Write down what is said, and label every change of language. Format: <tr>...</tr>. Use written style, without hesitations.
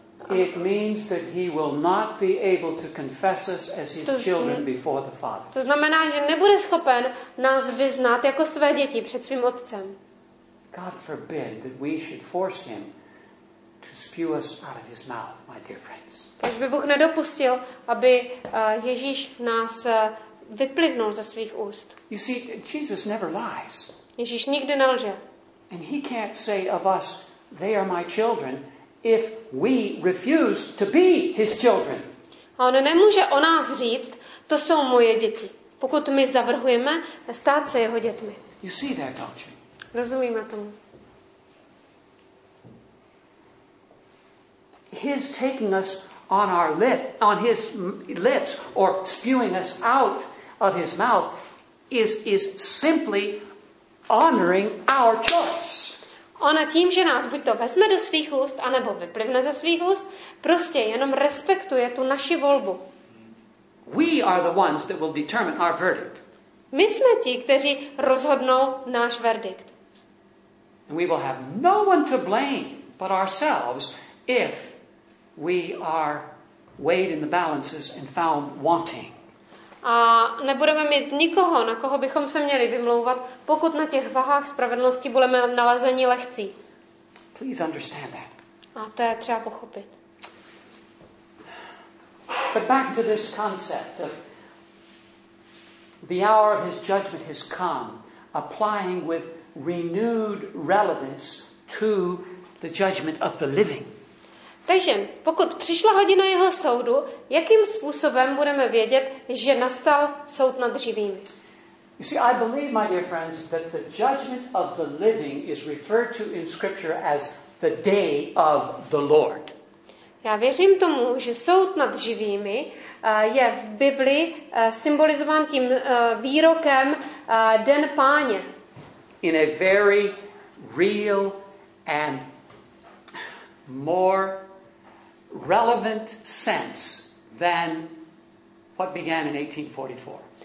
<en>It means that he will not be able to confess us as his children before the Father.</en> <cs>To znamená, že nebude schopen nás vyznat jako své děti před svým otcem.</cs> <en>God forbid that we should force him to spew us out of his mouth, my dear friends.</en> <cs>Kéž by Bůh nedopustil, aby Ježíš nás vyplivnul ze svých úst.</cs> <en>You see, Jesus never lies.</en> <cs>Ježíš nikdy nelže.</cs> <en>And he can't say of us, they are my children, if we refuse to be his children.</en> <cs>A on nemůže o nás říct, to jsou moje děti, pokud my zavrhujeme stát se jeho dětmi.</cs> <en>You see that, don't you?</en> <cs>Rozumíme tomu.</cs> <en>His taking us on our lip, on his lips, or spewing us out of his mouth is simply honoring our choice.</en> <cs>On tím, že nás buď to vezme do svých úst, anebo vyplivne ze svých úst, prostě jenom respektuje tu naši volbu.</cs> <en>We are the ones that will determine our verdict.</en> <cs>My jsme ti, kteří rozhodnou náš verdikt.</cs> <en>And we will have no one to blame but ourselves if we are weighed in the balances and found wanting.</en> <cs>A nebudeme mít nikoho, na koho bychom se měli vymlouvat, pokud na těch vahách spravedlnosti budeme nalezeni lehcí.</cs> <en>Please understand that.</en> <cs>A to je třeba pochopit.</cs> <en>But back to this concept of the hour of his judgment has come, applying with renewed relevance to the judgment of the living.</en> <cs>Takže, pokud přišla hodina jeho soudu, jakým způsobem budeme vědět, že nastal soud nad živými?</cs> <en>You see, I believe, my dear friends, that the judgment of the living is referred to in Scripture as the day of the Lord.</en> <cs>Já věřím tomu, že soud nad živými je v Bibli symbolizován tím výrokem Den Páně.</cs> <en>In a very real and more relevant sense than what began in 1844.</en>